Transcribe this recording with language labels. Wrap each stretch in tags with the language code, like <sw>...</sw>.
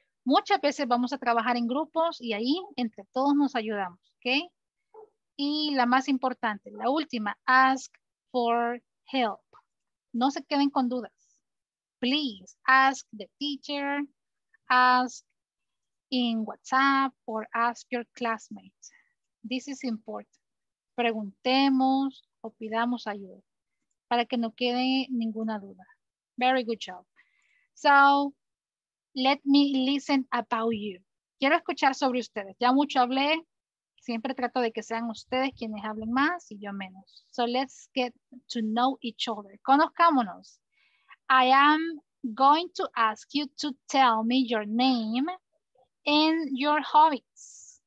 <es>Muchas veces vamos a trabajar en grupos y ahí entre todos nos ayudamos. ¿Okay? Y la más importante, la última,</es> <en>ask for help.</en> <es>No se queden con dudas.</es> <en>Please ask the teacher, ask in WhatsApp or ask your classmates. This is important.</en> <es>preguntemos o pidamos ayuda para que no quede ninguna duda.</es> <en>Very good job. So, let me listen about you.</en> <es>Quiero escuchar sobre ustedes. Ya mucho hablé. Siempre trato de que sean ustedes quienes hablen más y yo menos.</es> <en>So, let's get to know each other.</en> <es>Conozcámonos.</es> <en>I am going to ask you to tell me your name and your hobbies.</en>